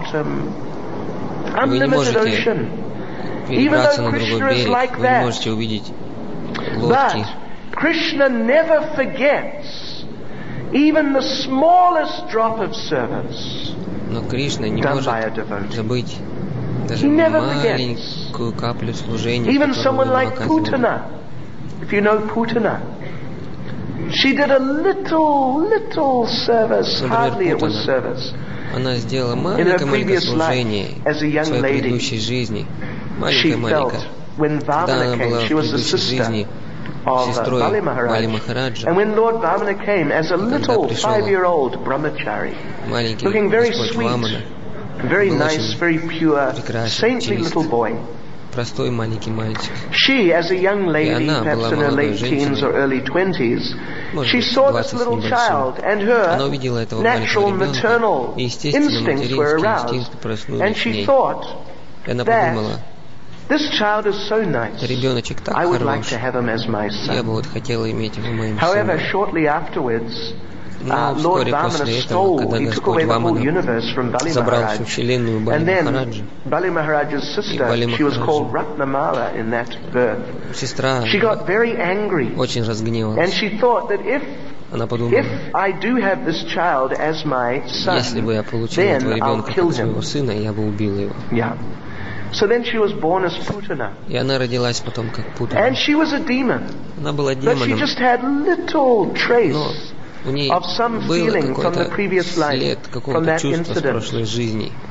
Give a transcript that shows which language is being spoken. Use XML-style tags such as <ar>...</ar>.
<ru>Вы не можете перебраться на другой берег, вы не можете увидеть лодки. Кришна никогда не забывает даже маленький</ru> <en>дроп сервиса,</en> <ru>но Кришна не может забыть даже маленькую каплю служения.</ru> <en>Even someone like Putana, if you know Putana, she did a little service, hardly it was service.</en> <ru>Она сделала маленькое служение в своей предыдущей жизни, маленькое. Когда она была в предыдущей жизни сестрой Вали Махараджа,</ru> <en>and when Lord Vamana came as a little 5-year-old brahmachari, looking very sweet, very nice, very pure, saintly little boy.</en> <ru>Простой маленький мальчик.</ru> <en>She, as a young lady, perhaps in her late teens or early 20s, she saw this little child, and her natural maternal instincts were aroused, and she thought that this child is so nice. I would like to have him as my son.</en> <ru>Я бы вот хотела иметь его моим сыном.</ru> <en>However, shortly afterwards,</en> <ru>Но вскоре после этого, когда Господь Вамана забрал всю вселенную Бали Махараджа, и Бали сестра очень разгневалась. Она подумала, если бы я получил этого ребенка как своего сына, я бы убил его.</ru> <en>So then she was born as Putana.</en> <ru>И она родилась потом как Путана.</ru> <en>And she was a demon.</en> <ru>Она была демоном.</ru> <en>But she just had little trace of some feeling from the previous life, from that incident.</en>